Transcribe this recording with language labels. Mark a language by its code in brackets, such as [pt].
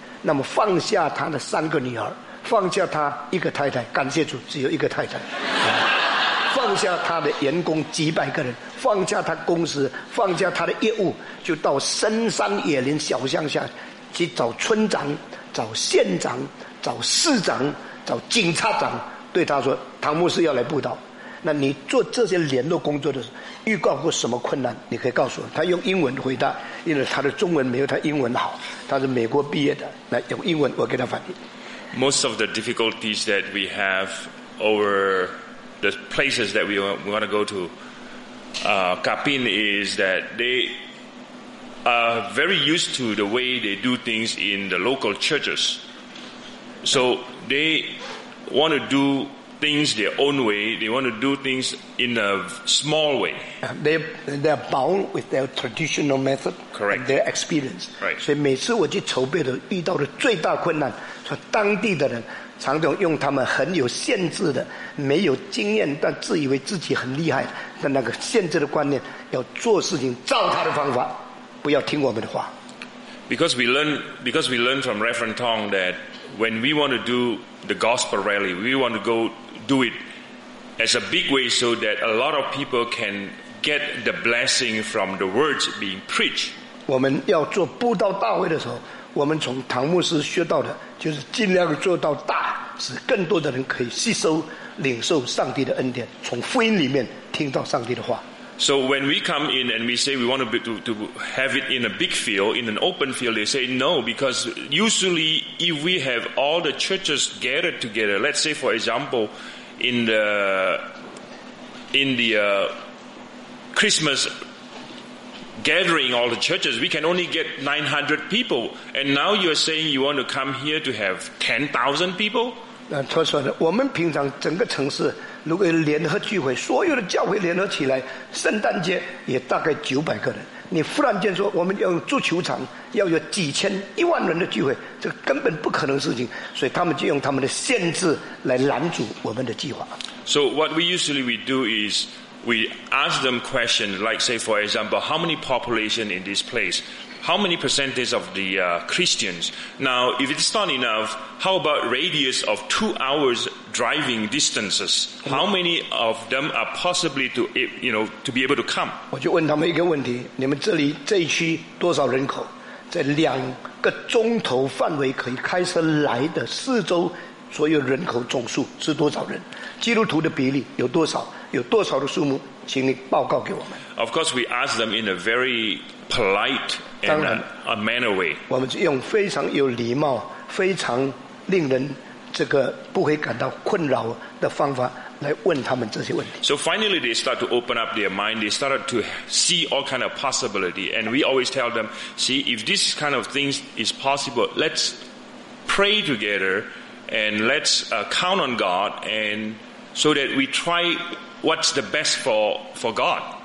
[zh] 那么放下他的三个女儿，放下他一个太太，感谢主只有一个太太，放下他的员工几百个人，放下他公司，放下他的业务，就到深山野林小乡下去找村长、找县长、找市长、找警察长，对他说：“唐牧师要来布道，那你做这些联络工作的时候，遇到过什么困难？你可以告诉我。”他用英文回答，因为他的中文没有他英文好，他是美国毕业的，那用英文我给他翻译。 [en] Most of the difficulties that we have over the places that we want to go to, Kapin is that they are very used to the way they do things in the local churches. So they want to do things their own way. They want to do things in a small way. They're bound with their traditional method. Correct. Their experience. Right. [zh] 所以每次我去筹备的遇到的最大困难，说当地的人常常用他们很有限制的、没有经验但自以为自己很厉害的那个限制的观念，要做事情照他的方法，不要听我们的话。 [en] Because we learn from Reverend Tong that when we want to do the gospel rally, we want to go do it as a big way so that a lot of people can get the blessing from the words being preached. [zh] 我们要做布道大会的时候，我们从唐牧师学到的就是尽量做到大，使更多的人可以吸收领受上帝的恩典，从福音里面听到上帝的话。 [en] So when we come in and we say we want to have it in a big field, in an open field, they say no, because usually if we have all the churches gathered together, let's say for example, in the Christmas gathering, all the churches, we can only get 900 people. And now you're saying you want to come here to have 10,000 people? [zh] 他说的，我们平常整个城市如果联合聚会，所有的教会联合起来，圣诞节也大概900个人。你忽然间说我们要用足球场，要有几千、一万人的聚会，这根本不可能的事情。所以他们就用他们的限制来拦阻我们的计划。 [en] So what we usually we do is we ask them questions, like say for example, how many population in this place? How many percentage of the Christians? Now, if it's not enough, how about radius of 2 hours driving distances? How many of them are possibly to, you know, to be able to come? [zh] 我就问他们一个问题：你们这里这一区多少人口？在两个钟头范围可以开车来的四周所有人口总数是多少人？基督徒的比例有多少？有多少的数目？请你报告给我们。 [en] Of course, we ask them in a very polite. And a manner way. [zh] 我们是用非常有礼貌、非常令人这个不会感到困扰的方法来问他们这些问题。 [en] So finally, they start to open up their mind. They started to see all kind of possibility. And we always tell them, see, if this kind of things is possible, let's pray together and let's count on God, and so that we try what's the best for God.